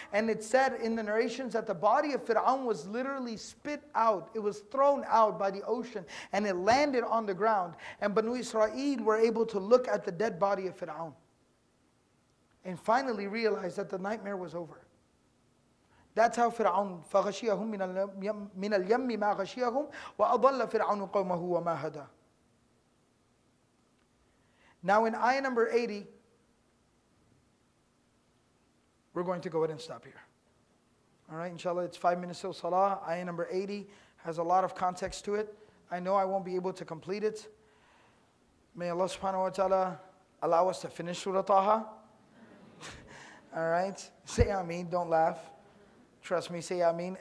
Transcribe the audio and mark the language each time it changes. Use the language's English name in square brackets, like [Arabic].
[English] And it said in the narrations that the body of Fir'aun was literally spit out. It was thrown out by the ocean and it landed on the ground. And Banu Israel were able to look at the dead body of Fir'aun. And finally realized that the nightmare was over. That's how [Arabic] Fir'aun, فَغَشِيَهُمْ مِنَ الْيَمِّ مَا غَشِيَهُمْ وَأَضَلَّ فِرْعَوْنُ قَوْمَهُ وَمَا هَدَى. [English] Now in ayah number 80, we're going to go ahead and stop here. All right, inshallah, it's 5 minutes till salah. Ayah number 80 has a lot of context to it. I know I won't be able to complete it. May Allah subhanahu wa ta'ala allow us to finish Surah Taha. All right, say ameen, don't laugh. Trust me, say ameen.